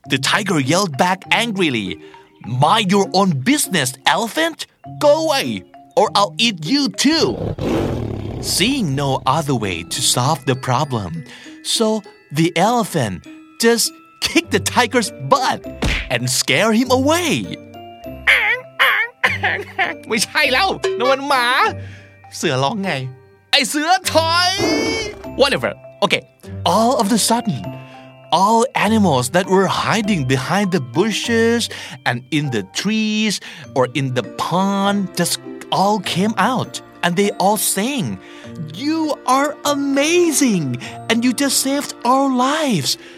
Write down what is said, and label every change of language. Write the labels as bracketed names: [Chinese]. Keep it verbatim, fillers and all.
[English] The tiger yelled back angrily. "Mind your own business, elephant. Go away, or I'll eat you too." Seeing no other way to solve the problem, so the elephant just kicked the tiger's butt and scared him away. [Thai] ไม่ใช่แล้วนั่นมันหมาเสือร้องไงไอเสือถอย [English] Whatever. Okay. All of a sudden. All animals that were hiding behind the bushes and in the trees or in the pond just all came out, and they all sang, "You are amazing, and you just saved our lives.